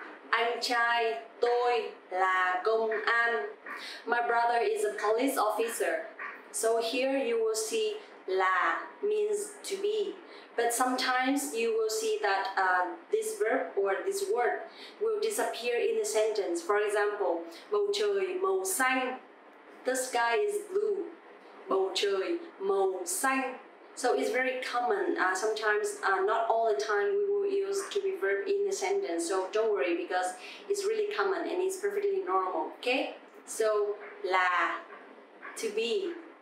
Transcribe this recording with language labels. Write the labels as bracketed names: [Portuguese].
[Vietnamese] Anh trai tôi là công an. [English] My brother is a police officer. So here you will see là means to be. But sometimes you will see that this verb or this word will disappear in the sentence. For example, [Vietnamese] bầu trời màu xanh. [English] The sky is blue. [Vietnamese] Bầu trời màu xanh. [English] So it's very common, sometimes, not all the time, we will use to be verb in the sentence. So don't worry, because it's really common and it's perfectly normal, okay? So, là, to be.